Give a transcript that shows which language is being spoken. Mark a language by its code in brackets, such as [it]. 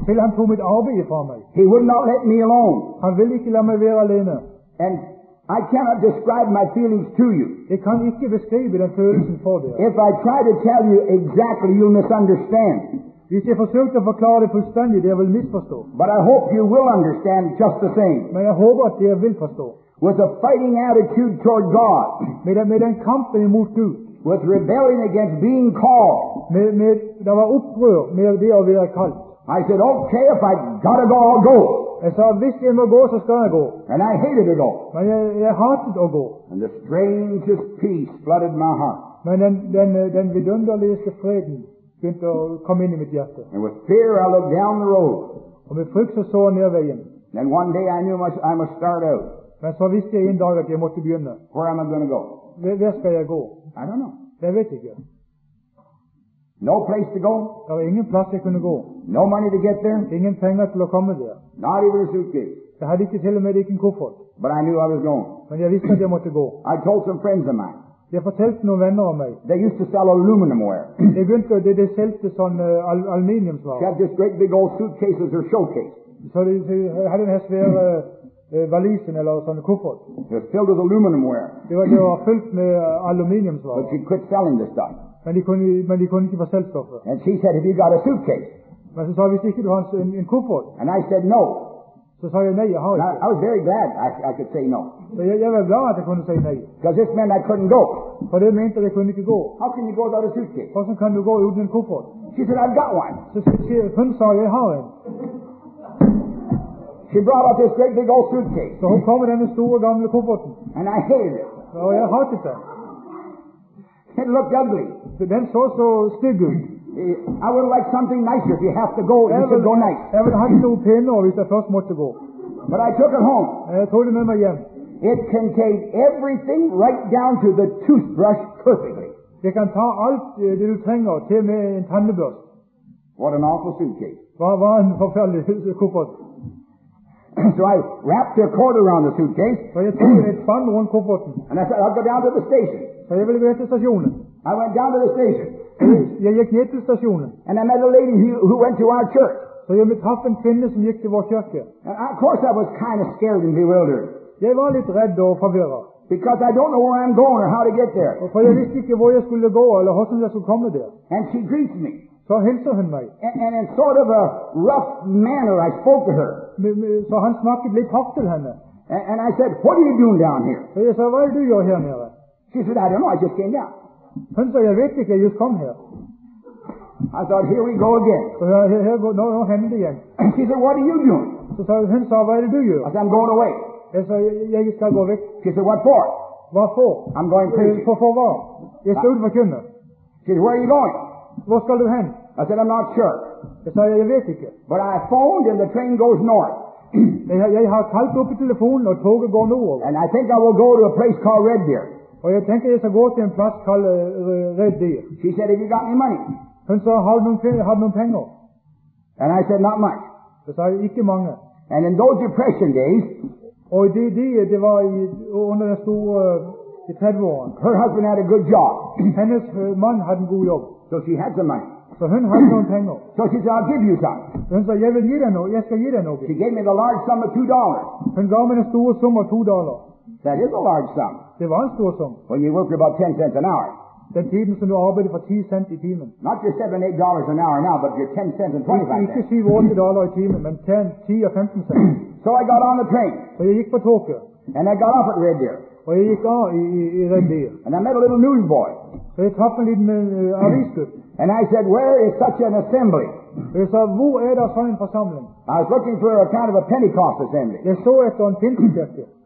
[no] Til han tog mitt arbeid fra meg. [en] He would not let me alone. [no] Han ville ikke la meg være alene. [en] And I cannot describe my feelings to you. [no] Jeg kan ikke beskrive den følelsen for deg. [en] If I try to tell you exactly, you'll misunderstand. [no] Hvis jeg forsøker å forklare det fullstendig, det vil misforstå. [en] But I hope you will understand just the same. [no] Men jeg håper at dere vil forstå. [en] With a fighting attitude toward God. [no] Med en kamp imot Gud. [en] With rebelling against being called. [no] Med det var opprør med det å være kalt. [en] I said, okay, if I gotta go, I'll go. [no] Jeg sa, hvis jeg må gå, så skal jeg gå. [en] And I hated it all. [no] Men jeg hatet å gå. [en] And the strangest peace flooded my heart. [no] Men den vidunderligste freden begynte å komme inn i mitt hjerte. [en] And with fear, I looked down the road. [no] Og med frykt så jeg ned veien. [en] Then one day I knew I must start out. [no] Men så visste jeg en dag at jeg måtte begynne. [en] Where am I going to go? [no] Hvor skal jeg gå? [en] I don't know. [no] Jeg vet ikke. [en] No place to go. [no] Det var ingen plass jeg kunne gå. [en] No money to get there. [no] Ingen penger til å komme der. [en] Not even a suitcase. [no] Jeg hadde ikke til og med en koffert. [en] But I knew I was going. [no] Men jeg visste at jeg måtte gå. [en] I told some friends of mine. [no] Jeg fortalte noen venner om meg. [en] They used to sell aluminum ware. [no] De begynte, de solgte sånn aluminiumsvare. [en] They had this great big old suitcases or showcase. [no] Så de hadde en svære valisen eller sånn koffert. [en] It was filled with aluminum ware. [no] Det var fylt med aluminiumsvare. [en] But she quit selling this stuff. [no] Men de kunne ikke få selvstoffet. [en] And she said, have you got a suitcase? [no] Men så sa hvis ikke du har en koffert. [en] And I said, no. [no] Så sa jeg nei, jeg har ikke. [en] I was very glad I could say no. [no] Så jeg var glad at jeg kunne si nei. [en] Because this meant I couldn't go. [no] For det mente jeg kunne ikke gå. [en] How can you go without a suitcase? [no] Hvordan kan du gå uten en koffert? [en] She said, I've got one. [no] Så hun sa, jeg har en. [en] She brought out this great big old suitcase. [no] Så hun kom med denne store gamle kofferten. [en] And I hated it. [no] Og jeg hatet det. [en] It looked ugly. [no] Den så stygg ut. [en] I would like something nicer if you have to go. You should go nice. [no] Jeg ville hatt noe penere hvis jeg først måtte gå. [en] But I took it home. [no] Jeg tok det med meg hjem. [en] It contained everything right down to the toothbrush perfectly. [no] Det kan ta alt det du trenger til med en tannbørst. [en] What an awful suitcase. [no] Hva en forferdelig koffert. [en] So I wrapped a cord around the suitcase. [no] Så jeg tok et bånd rundt kofferten. [en] And I said, I'll go down to the station. [no] Så jeg ville gå til stasjonen. [en] I went down to the station. [no] Jeg gikk ned til stasjonen. [en] And I met a lady who went to our church. [no] Så jeg traff en kvinne som gikk til vår kirke. [en] And of course I was kind of scared and bewildered. [no] Jeg var litt redd og forvirret. [en] Because I don't know where I'm going or how to get there. [no] For jeg visste ikke hvor jeg skulle gå eller hvordan jeg skulle komme der. [en] And she greets me. [no] Så hilser hun meg. [en] And in sort of a rough manner I spoke to her. [no] Så han snakket litt hardt til henne. [en] And I said, what are you doing down here? [no] Så jeg sa, hva du gjør her nede? [en] She said, I don't know, I just came down. [no] Hun sa, jeg vet ikke, jeg just kom her. [en] I thought, here we go again. [no] Så jeg sa, her går, nå hender det igjen. [en] She said, what are you doing? [no] Så hun sa, hva du gjør? [en] I said, I'm going away. [no] Jeg sa, jeg skal gå vekk. [en] She said, what for? [no] Hva for? [en] I'm going preaching. [no] For hva? Jeg skal ut for kunder. [en] She said, where are you going? [no] Hvor skal du hen? [en] I said, I'm not sure. [no] Jeg sa, jeg vet ikke. [en] But I phoned and the train goes north. [no] Jeg har kalt opp i telefonen og toget går nordover. [en] And I think I will go to a place called Red Deer. [no] Og jeg tenker jeg skal gå til en plass kallet Red Deer. [en] She said, have you got any money? [no] Hun sa, har du noen penger? [en] And I said, not much. [no] Jeg sa, ikke mange. [en] And in those depression days, [no] og i det var under den store, i 30-årene. [en] Her husband had a good job. [no] Hennes mann hadde en god jobb. [en] So she had some money. [no] Så hun hadde noen penger. [en] So she said, I'll give you some. [no] Hun sa, jeg vil gi deg noe. Jeg skal gi deg noe. [en] She gave me the large sum of $2. [no] Hun gav meg en stor sum av $2. [en] That is a large sum. [no] Det var en stor sum. [en] When you work about 10 cents an hour. [no] Den tiden som du arbeider for 10 cent i timen. [en] Not your $7-$8 an hour now, but your 10 cents and 25 cents. [no] Ikke $7-$8 i timen, men 10 or 15 cents. [en] So I got on the train. [no] Så jeg gikk på toget. [en] And I got off at Red Deer. [no] Og jeg gikk av i Red Deer. [en] And I met a little newsboy. [no] Så jeg traff en liten avisgutt. [en] And I said, where is such an assembly? [no] Jeg sa, hvor der sånn en forsamling? [en] I was looking for a kind of a Pentecost assembly. [no] Jeg så etter en pinsekirke.